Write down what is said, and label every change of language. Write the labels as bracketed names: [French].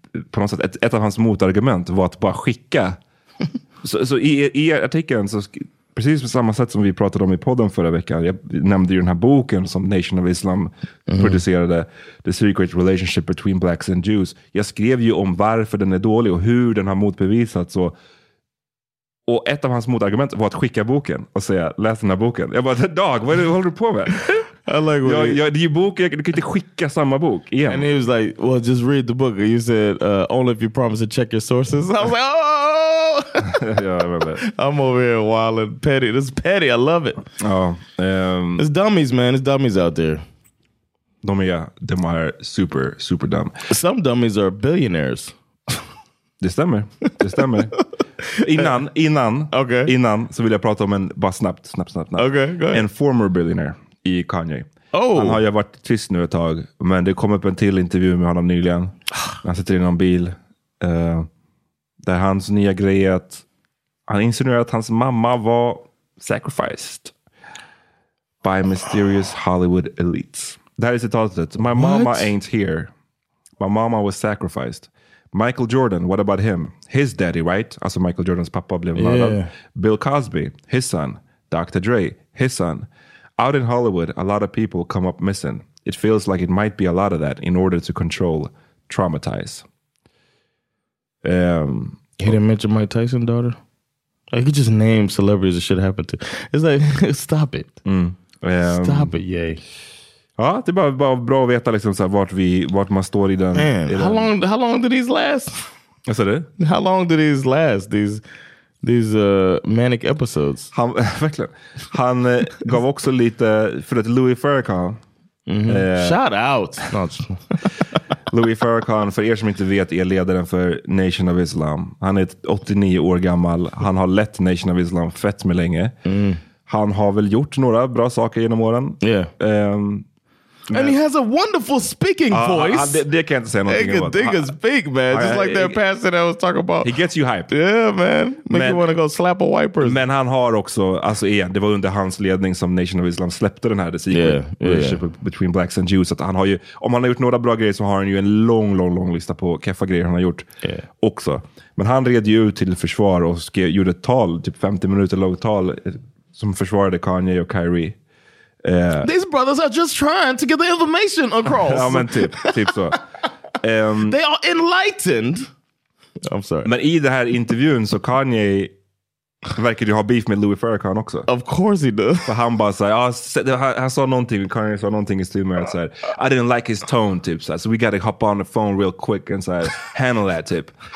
[Swedish] På något sätt, ett av hans motargument var att bara skicka. Så i artikeln, så precis på samma sätt som vi pratade om i podden förra veckan, jag nämnde ju den här boken som Nation of Islam producerade, The Secret Relationship Between Blacks and Jews. Jag skrev ju om varför den är dålig och hur den har motbevisats. Och ett av hans motargument var att skicka boken och säga, läs den här boken. Jag bara, dog, vad håller du på med? Du kan inte skicka samma bok igen. [English] And he was like, well, just read the book. You said, only if you promise to check your sources. I was like, oh! Yeah, I remember that. I'm over here wilding petty. This is petty. I love it. Oh, it's dummies, man. It's dummies out there. No, yeah, them are super, super dumb. Some dummies are billionaires. [Swedish] Det stämmer. Det stämmer. Innan, [English] okay. [Swedish] Innan så vill jag prata om en, bara snabbt. [English] Okay, go ahead. [Swedish] En [English] former billionaire [Swedish] i Kanye. [English] Oh. [Swedish] Han har ju varit trist nu ett tag, men det kom upp en till intervju med honom nyligen. Han sitter i någon bil där hans nya grej är att han insinuerar att hans mamma var [English] sacrificed by mysterious Hollywood elites. [Swedish] Det här är citatet. [English] My mama ain't here. My mama was sacrificed. Michael Jordan, what about him? His daddy, right? [Swedish] Alltså Michael Jordans pappa blev mördad. [English] Yeah. Bill Cosby, his son. Dr. Dre, his son. Out in Hollywood, a lot of people come up missing. It feels like it might be a lot of that in order to control, traumatize. He didn't mention Mike Tyson's daughter? I could just name celebrities that shit happened to. It's like, stop it. Mm. Stop it, yay. [Swedish] Ja, det är bara bra att veta liksom så här, vart man står i den. [English] Man, how long do these last? [Swedish] Jag sa det. [English] How long do these last, these manic episodes? [Swedish] Han, verkligen. Han gav också lite, för att Louis Farrakhan. [English] Shout out! [Swedish] Louis Farrakhan, för er som inte vet, är ledaren för Nation of Islam. Han är 89 år gammal. Han har lett Nation of Islam fett med länge. Mm. Han har väl gjort några bra saker genom åren. Ja. Yeah. Man. [English] And he has a wonderful speaking voice. They can't say nothing about that. They can speak, man. Just like that pastor that I was talking about. He gets you hyped. Yeah, man. Make you want to go slap a wiper. [Swedish] Men han har också, alltså igen, det var under hans ledning som Nation of Islam släppte den här The Secret Relationship Between Blacks and Jews. Att han har ju, om han har gjort några bra grejer så har han ju en lång, lång, lång lista på keffa grejer han har gjort också. Men han red ju ut till försvar och gjorde ett tal, typ 50 minuter långt tal, som försvarade Kanye och Kyrie. [English] These brothers are just trying to get the information across. [Swedish] Ja, men typ så. [English] They are enlightened. I'm sorry. [Swedish] Men i den här intervjun så Kanye verkar ju ha beef med Louis Farrakhan också. [English] Of course he does. [Swedish] För han bara så här, Kanye sa någonting i streamer och så här, [English] I didn't like his tone, [Swedish] typ så här, [English] so we gotta hop on the phone real quick and [Swedish] så här, [English] handle that, [Swedish] typ.